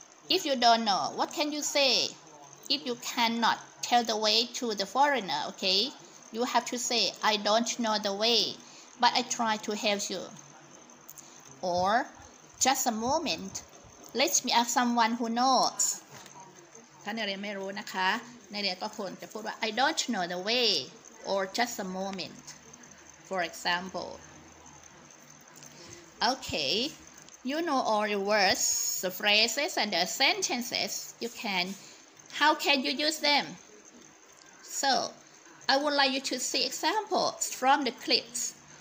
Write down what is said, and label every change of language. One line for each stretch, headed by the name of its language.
English: If you don't know, what can you say? If you cannot tell the way to the foreigner, okay? You have to say, I don't know the way, but I try to help you. Or, just a moment, let me ask someone who knows.
Thai: ถ้าในเรียนไม่รู้นะคะในเรียนก็ควรจะพูดว่า
English: I don't know the way or just a moment. For example, okay, you know all the words, the phrases and the sentences you can. How can you use them? So, I would like you to see examples from the clips.